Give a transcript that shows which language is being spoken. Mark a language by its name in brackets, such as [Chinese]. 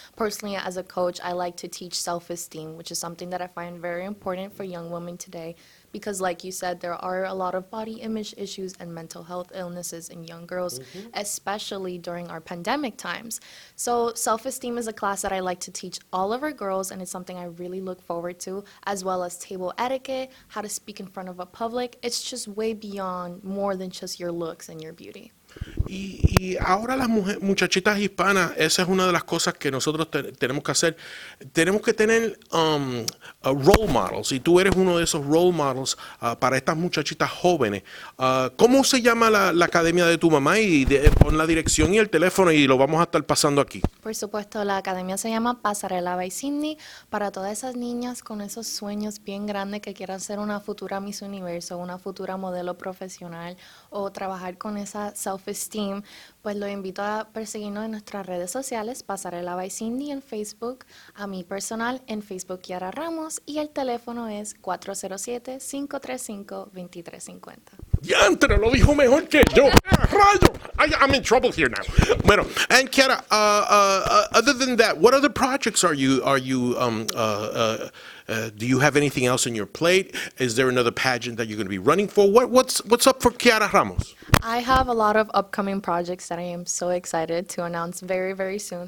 [English] Personally, as a coach, I like to teach self-esteem, which is something that I find very important for young women today, because like you said, there are a lot of body image issues and mental health illnesses in young girls, mm-hmm. especially during our pandemic times. So self-esteem is a class that I like to teach all of our girls, and it's something I really look forward to, as well as table etiquette, how to speak in front of a public. It's just way beyond more than just your looks and your beauty. [Spanish] Y ahora las mujeres, muchachitas hispanas, esa es una de las cosas que nosotros tenemos que hacer. Tenemos que tener role models, y tú eres uno de esos role models para estas muchachitas jóvenes. ¿Cómo se llama la academia de tu mamá? Y pon la dirección y el teléfono y lo vamos a estar pasando aquí. Por supuesto, la academia se llama Pasarela by Sydney. Para todas esas niñas con esos sueños bien grandes que quieran ser una futura Miss Universo, una futura modelo profesional o trabajar con esa self-esteem, pues lo invito a perseguirnos en nuestras redes sociales, Pasarela by Cindy en Facebook, a mi personal en Facebook, Kiara Ramos, y el teléfono es 407-535-2350. ¡Yantra! ¡Lo dijo mejor que yo! ¡Rayo! [English] I'm in trouble here now. Bueno, and Kiara, other than that, what other projects do you have anything else in your plate? Is there another pageant that you're going to be running for? What's up for Kiara Ramos? I have a lot of upcoming projects that I am so excited to announce very, very soon.